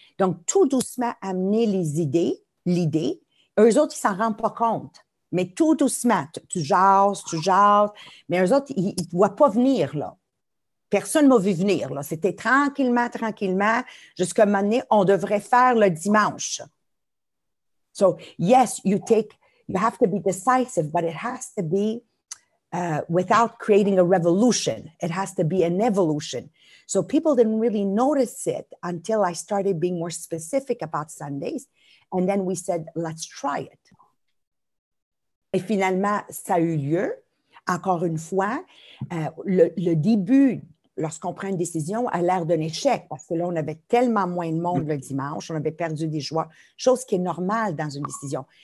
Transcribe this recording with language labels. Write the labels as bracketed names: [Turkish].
[French] Donc tout doucement amener les idées, l'idée. Eux autres, ils s'en rendent pas compte, mais tout doucement, tu jases, mais eux autres, ils ne voient pas venir, là. Personne ne m'a vu venir, là. C'était tranquillement, tranquillement, jusqu'à un moment donné, on devrait faire le dimanche. [English] So, yes, you have to be decisive, but it has to be without creating a revolution. It has to be an evolution. So, people didn't really notice it until I started being more specific about Sundays. And then we said, let's try it. [French] Et finalement, ça a eu lieu. Encore une fois, le début lorsqu'on prend une décision, a l'air d'un échec, parce que là, on avait tellement moins de monde le dimanche, on avait perdu des joies, chose qui est normale dans une décision.